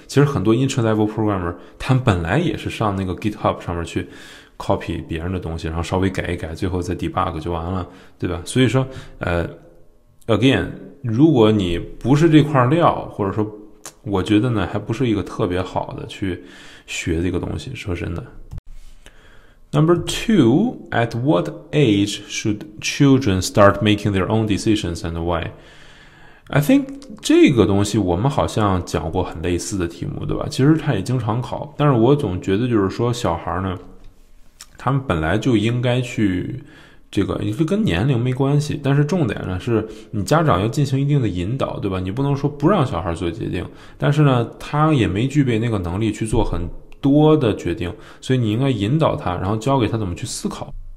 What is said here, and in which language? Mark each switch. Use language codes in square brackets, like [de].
[zh] 其实很多 intro level programmer， 他们本来也是上那个 GitHub 上面去 copy 别人的东西，然后稍微改一改，最后再 debug 就完了，对吧。所以说again， 如果你不是这块料，或者说我觉得呢还不是一个特别好的去学这个东西，说真的。 [en] Number two, at what age should children start making their own decisions and why? I think [zh] 这个东西我们好像讲过很类似的题目，对吧？其实他也经常考，但是我总觉得就是说小孩呢，他们本来就应该去这个，也跟年龄没关系，但是重点呢是你家长要进行一定的引导，对吧？你不能说不让小孩做决定，但是呢，他也没具备那个能力去做很多的决定，所以你应该引导他，然后教给他怎么去思考。